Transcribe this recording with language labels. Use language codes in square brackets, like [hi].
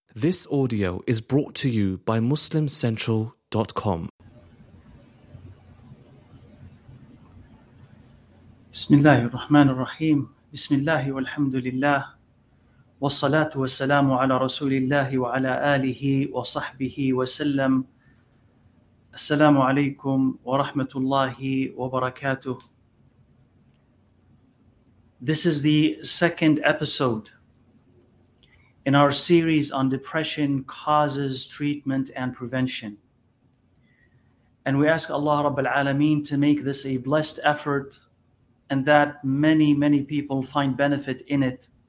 [en] This audio is brought to you by MuslimCentral.com. [ar] بسم الله الرحمن الرحيم بسم الله والحمد لله والصلاة والسلام على رسول الله وعلى آله وصحبه وسلم السلام عليكم ورحمة الله وبركاته. [en] This is the second episode in our series on depression, causes, treatment, and prevention. And we ask Allah Rabbil Alameen to make this a blessed effort and that many, many people find benefit in it.